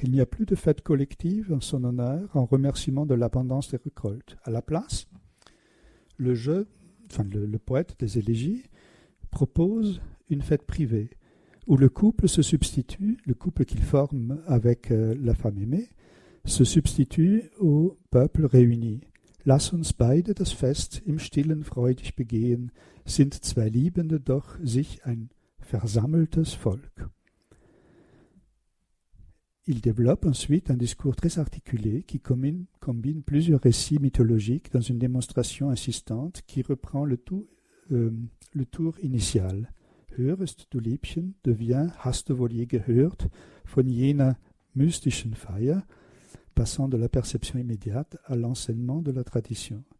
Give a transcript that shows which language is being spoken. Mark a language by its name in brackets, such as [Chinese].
[French] Il n'y a plus de fête collective en son honneur, en remerciement de l'abondance des récoltes. À la place, le poète des élégies propose une fête privée où le couple se substitue, le couple qu'il forme avec la femme aimée, se substitue au peuple réuni. [German] Lass uns beide das Fest im Stillen freudig begehen, sind zwei Liebende doch sich ein versammeltes Volk. [French] Il développe ensuite un discours très articulé qui combine plusieurs récits mythologiques dans une démonstration insistante qui reprend le tour initial. [German] Hörest du Liebchen [French] devient [German] Hast du wohl je gehört von jener mystischen Feier, [French] passant de la perception immédiate à l'enseignement de la tradition.